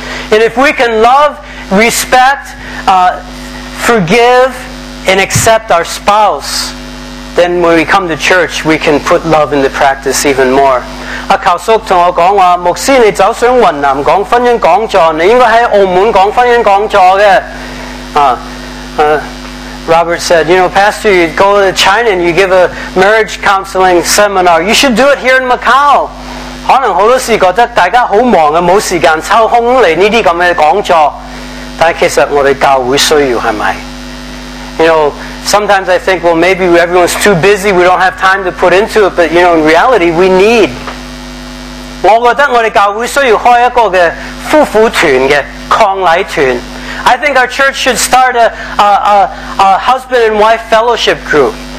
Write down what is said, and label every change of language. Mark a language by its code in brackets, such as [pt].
[en] And if we can love, respect, forgive, and accept our spouse, then when we come to church, we can put love into practice even more. [zh] 教授跟我说，牧师，你走上云南讲婚姻讲座，你应该在澳门讲婚姻讲座的。Robert [en] said, you know, pastor, you go to China and you give a marriage counseling seminar. You should do it here in Macau. [zh] 可能很多时觉得大家很忙，没时间抽空来这些讲座。但其实我们教会需要，是不是？ [en] You know, sometimes I think, well, maybe everyone's too busy, we don't have time to put into it, but you know, in reality, we need. [zh] 我觉得我们教会需要开一个夫妇团的抗礼团。 [en] I think our church should start a husband and wife fellowship group.